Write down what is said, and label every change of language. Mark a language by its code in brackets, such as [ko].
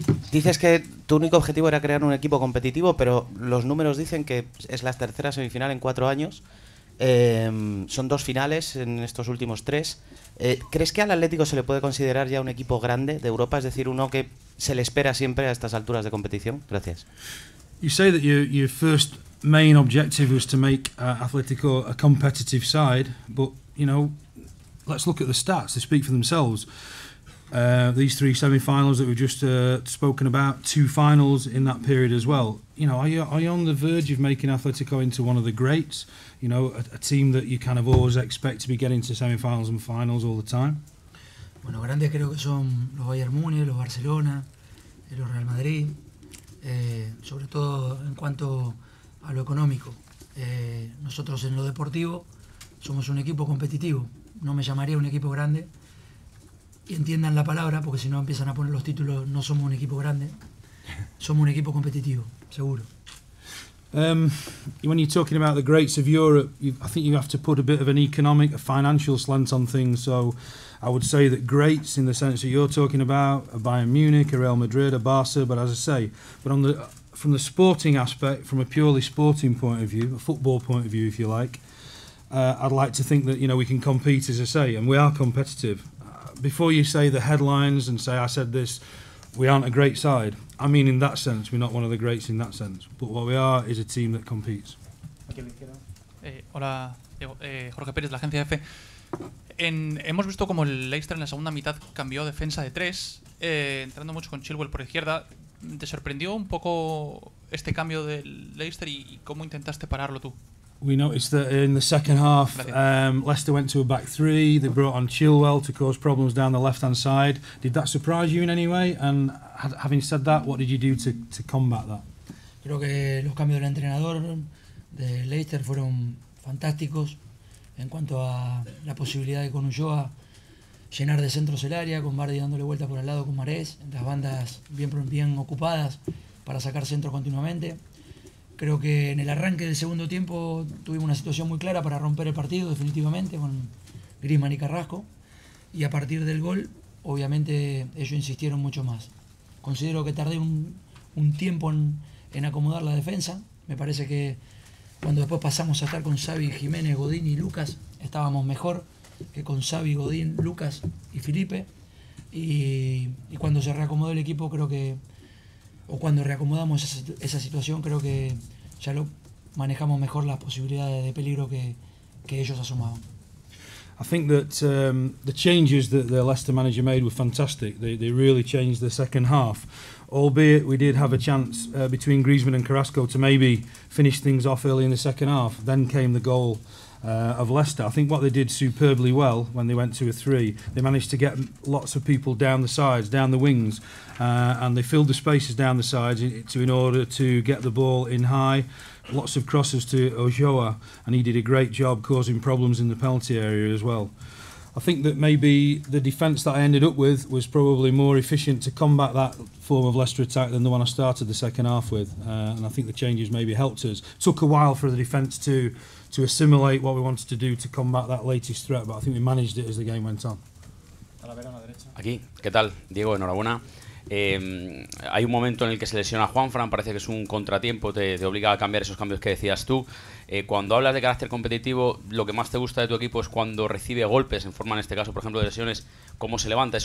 [es] Dices que tu único objetivo era crear un equipo competitivo, pero los números dicen que es la tercera semifinal en cuatro años. Son dos finales en estos últimos tres. ¿Crees que al Atlético se le puede considerar ya un equipo grande de Europa, es decir, uno que se le espera siempre a estas alturas de competición? Gracias. [en] You say that your first main objective was to make Atletico a competitive side, but you know, let's look at the stats. They speak for themselves. These three semi-finals that we've just spoken about, two finals in that period as well. You know, are you on the verge of making Atletico into one of the greats? You know, a team that you kind of always expect to be getting to semi-finals and finals all the time. [es] Bueno, grandes creo que son los Bayern Múnich, los Barcelona, los Real Madrid, sobre todo en cuanto a lo económico. Nosotros en lo deportivo somos un equipo competitivo. No me llamaría un equipo grande. Entiendan la palabra, porque si no empiezan a poner los títulos, no somos un equipo grande, somos un equipo competitivo, seguro. [en] When you're talking about the greats of Europe, I think you have to put a bit of an economic, a financial slant on things. So I would say that greats in the sense that you're talking about, a Bayern Munich, a Real Madrid, a Barca, but as I say, but on the from the sporting aspect, from a purely sporting point of view, a football point of view, if you like, I'd like to think that, you know, we can compete, as I say, and we are competitive. Before you say the headlines and say I said this, we aren't a great side. I mean in that sense, we're not one of the greats in that sense. But what we are is a team that competes. [es] Hola, Jorge Pérez, la agencia EFE. Hemos visto como el Leicester en la segunda mitad cambió defensa de tres, entrando mucho con Chilwell por izquierda. ¿Te sorprendió un poco este cambio del Leicester y cómo intentaste pararlo tú? [en] We noticed that in the second half, Leicester went to a back three. They brought on Chilwell to cause problems down the left-hand side. Did that surprise you in any way? And having said that, what did you do to combat that? [es] Creo que los cambios del entrenador de Leicester fueron fantásticos en cuanto a la posibilidad de con Ulloa llenar de centros el área, con Vardy dándole vueltas por el lado con Marés, las bandas bien ocupadas para sacar centros continuamente. Creo que en el arranque del segundo tiempo tuvimos una situación muy clara para romper el partido definitivamente con Griezmann y Carrasco. Y a partir del gol, obviamente, ellos insistieron mucho más. Considero que tardé un tiempo en acomodar la defensa. Me parece que cuando después pasamos a estar con Xavi, Jiménez, Godín y Lucas, estábamos mejor que con Xavi, Godín, Lucas y Felipe. Y cuando se reacomodó el equipo, creo que, o cuando reacomodamos esa situación, creo que ya lo manejamos mejor las posibilidades de peligro que ellos asomaban. [en] I think that the changes that the Leicester manager made were fantastic. They really changed the second half. Albeit we did have a chance between Griezmann and Carrasco to maybe finish things off early in the second half. Then came the goal of Leicester. I think what they did superbly well when they went to a three, they managed to get lots of people down the sides, down the wings, and they filled the spaces down the sides in order to get the ball in high. Lots of crosses to Ochoa, and he did a great job causing problems in the penalty area as well. I think that maybe the defence that I ended up with was probably more efficient to combat that form of Leicester attack than the one I started the second half with, and I think the changes maybe helped us. It took a while for the defence to assimilate what we wanted to do to combat that latest threat, but I think we managed it as the game went on. [es] Aquí, ¿qué tal? Diego, enhorabuena. Hay un momento en el que se lesiona Juanfran, parece que es un contratiempo, te obliga a cambiar esos cambios que decías tú. Cuando hablas de carácter competitivo, lo que más te gusta de tu equipo es cuando recibe golpes, en forma, en este caso, por ejemplo, de lesiones, ¿cómo se levanta?